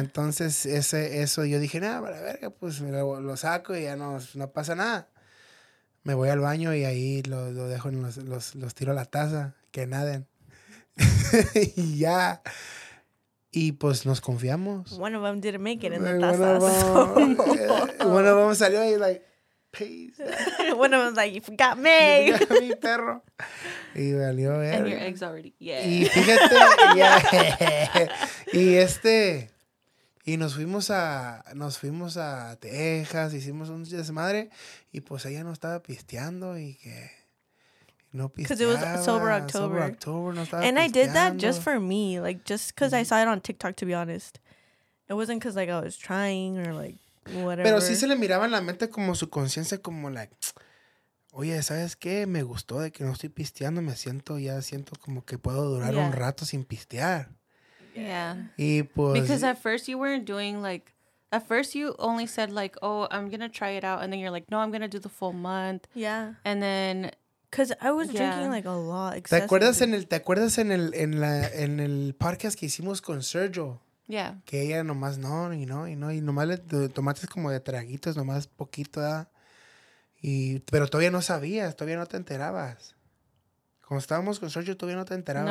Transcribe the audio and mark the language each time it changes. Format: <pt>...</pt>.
<es>Entonces eso yo dije, nada, para verga, pues lo saco y ya no pasa nada. Me voy al baño y ahí lo dejo en los tiro a la taza, que naden. Y ya. Y pues nos confiamos.</es> <en>One of them didn't make it in the taza. One of them</en> <es>salió y</es> <en>like, peace. One of them was like, you got me. You got me,</en> <es>perro. Y valió,</es> <en>¿eh? And your eggs already, yeah.</en> <es>Y fíjate, yeah. Y y nos fuimos a Texas, hicimos un desmadre, y pues ella no estaba pisteando, y que no pisteaba.</es> <en>Because it was sober October,</en> <es>no estaba</es> <en>And</en> <es>pisteando.</es> <en>I did that just for me, like, just because I saw it on TikTok, to be honest. It wasn't because, like, I was trying, or, like, whatever.</en> <es>Pero sí se le miraba en la mente como su conciencia, como, like, oye, ¿sabes qué? Me gustó de que no estoy pisteando, me siento como que puedo durar un rato sin pistear.</es> <en>Yeah.</en> <es>Y pues,</es> <en>because at first you weren't doing, like, at first you only said, like, oh, I'm going to try it out. And then you're like, no, I'm going to do the full month. Yeah. And then, because I was drinking, like, a lot. Excessive.</en> <es>¿Te acuerdas en el podcast que hicimos con Sergio?</es> <en>Yeah.</en> <es>Que ella nomás nomás le tomaste como de traguitos, nomás poquito. Pero todavía no sabías, todavía no te enterabas. Cuando estábamos con Sergio, todavía no te enterabas,</es>